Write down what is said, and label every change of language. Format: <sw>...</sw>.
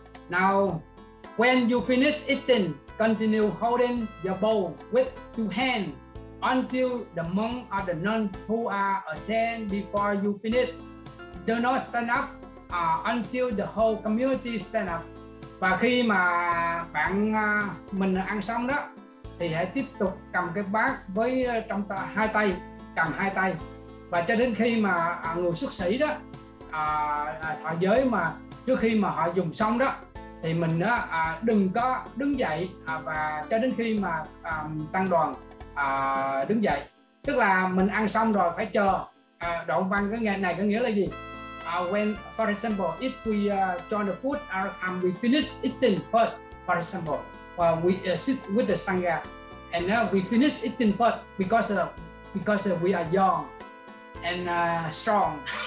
<en>Now, when you finish eating, continue holding your bowl with two hands until the monk or the nun who are attend before you finish. Do not stand up until the whole community stand up.</en> <vi>Và khi mà mình ăn xong đó, thì hãy tiếp tục cầm cái bát với trong hai tay, cầm hai tay. Và cho đến khi mà người xuất sĩ đó, thọ giới mà trước khi mà họ dùng xong đó thì mình đó, đừng có đứng dậy và cho đến khi mà tăng đoàn đứng dậy, tức là mình ăn xong rồi phải chờ. Đoạn văn cái ngày này có nghĩa là gì?</vi> <en>When, for example, if we join the food, our time we finish eating first, for example, we sit with the sangha, and now we finish eating first because we are young and strong.</en>